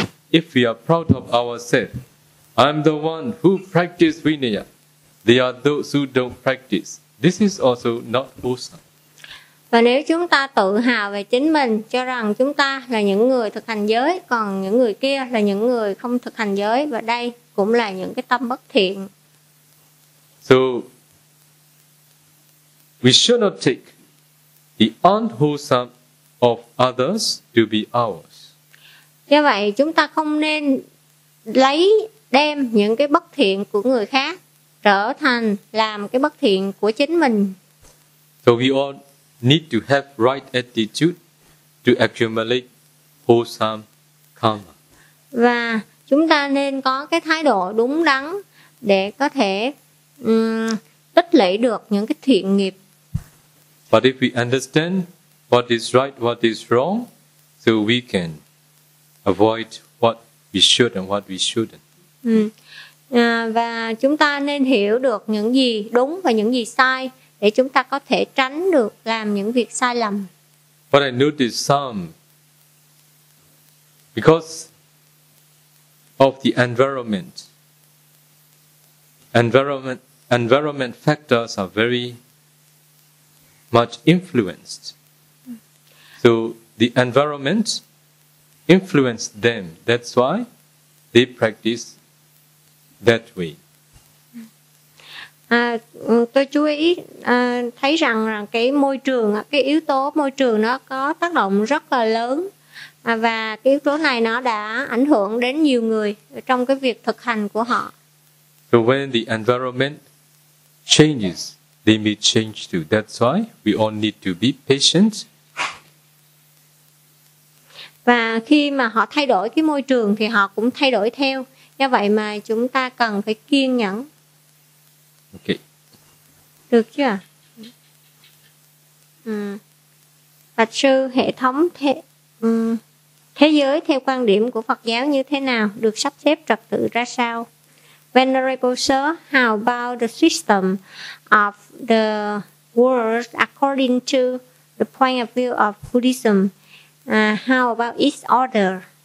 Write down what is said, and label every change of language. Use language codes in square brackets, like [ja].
[en] If we are proud of ourselves, I'm the one who practice Vinaya. They are those who don't practice. This is also not awesome. [vi] Và nếu chúng ta tự hào về chính mình, cho rằng chúng ta là những người thực hành giới, còn những người kia là những người không thực hành giới, và đây cũng là những cái tâm bất thiện. [en] So, we should not take the unwholesome of others to be ours. [vi] Do vậy, chúng ta không nên lấy đem những cái bất thiện của người khác trở thành làm cái bất thiện của chính mình. [en] So we all need to have right attitude to accumulate wholesome karma. [vi] Và chúng ta nên có cái thái độ đúng đắn để có thể tích lũy được những cái thiện nghiệp. [en] But if we understand what is right, what is wrong, so we can avoid what we should and what we shouldn't. [vi] Và chúng ta nên hiểu được những gì đúng và những gì sai để chúng ta có thể tránh được làm những việc sai lầm. [en] But I noticed some, because of the environment factors are very much influenced. So the environment influenced them. That's why they practice that way. [vi] Tôi chú ý thấy rằng cái môi trường, cái yếu tố môi trường nó có tác động rất là lớn, và cái yếu tố này nó đã ảnh hưởng đến nhiều người trong cái việc thực hành của họ. [en] So when the environment changes, they may change too. That's why we all need to be patient. [vi] Và khi mà họ thay đổi cái môi trường thì họ cũng thay đổi theo. Do vậy mà chúng ta cần phải kiên nhẫn. Ok. Được chưa? Bạch sư, hệ thống thế giới theo quan điểm của Phật giáo như thế nào? Được sắp xếp trật tự ra sao? [en] Venerable sir, how about the system of the world according to the point of view of Buddhism? How about its order?